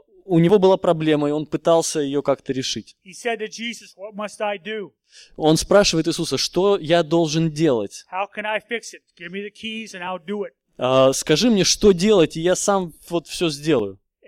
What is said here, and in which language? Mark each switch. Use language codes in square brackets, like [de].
[ru] У него была проблема, и он пытался ее как-то решить. [en] He said to Jesus, what must I do? [ru] Он спрашивает Иисуса, что я должен делать? [en] How can I fix it? Give me the keys, and I'll do it. [ru] Скажи мне, что делать, и я сам вот все сделаю.